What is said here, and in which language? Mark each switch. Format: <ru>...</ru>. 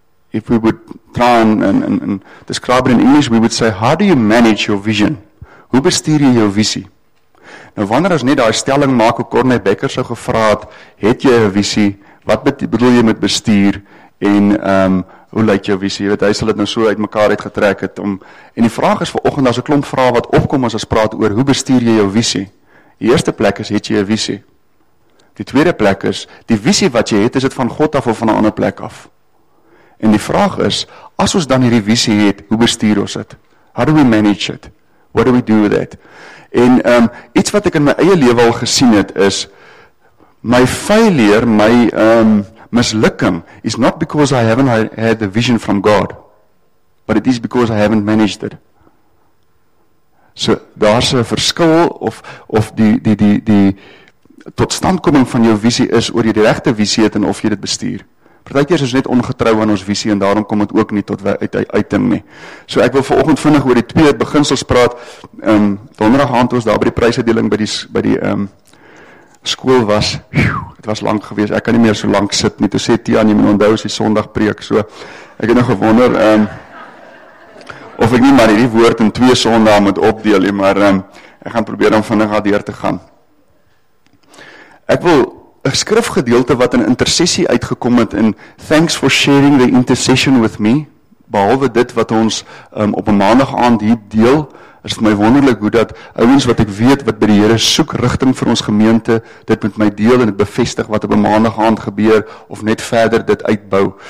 <en>If we would try and describe it in English, we would say how do you manage your vision?</en> <af>Hoe bestuur jy jou visie? Nou wanneer ons net daai stelling maak, hoe Corneille Becker sou gevra het jy 'n visie, wat bedoel jy met bestuur en hoe lyk jou visie? Jy weet, hy sal dit nou so uitmekaar uitgetrek het om, en die vraag is vanoggend, daar's 'n klomp vrae wat opkom as ons praat oor hoe bestuur jy jou visie. Die eerste plek is, het jy 'n visie? Die tweede plek is, die visie wat jy het, is dit van God af of van 'n ander plek af? En die vraag is, as ons dan hierdie visie het, hoe bestuur ons dit? How do we manage it? What do we do with it?</af> <en>En iets wat ek in my eie lewe al gesien het is, my failure, my mislukking is not because I haven't had the vision from God, but it is because I haven't managed it.</en> <af>So daar's 'n verskil of die totstandkoming van jou visie is oor jy die regte visie het en of jy dit bestuur. Partykeer is ons net ongetrou aan ons visie en daarom kom dit ook nie tot uiting nie. So ek wil vanoggend vinnig oor die 2 beginsels praat. Donderdag aand ons daar by die prysuitdeling by die skool was. Dit was lank geweest. Ek kan nie meer so lank sit nie. Toe sê Tiaan, jy moet onthou as die Sondag preek. So ek het nog gewonder of ek nie maar hierdie woord in 2 Sondae moet opdeel nie, maar ek gaan probeer om vinnig daardeur te gaan. Ek wil 'n skrifgedeelte wat in intersessie uitgekom het in Thanks for sharing the intercession with me behalwe dit wat ons op 'n maandag aand hier deel, is het my wonderlik hoe dat ouens wat ek weet wat by die Here soek rigting vir ons gemeente, dit met my deel en het bevestig wat op 'n maandag aand gebeur of net verder dit uitbou.</af>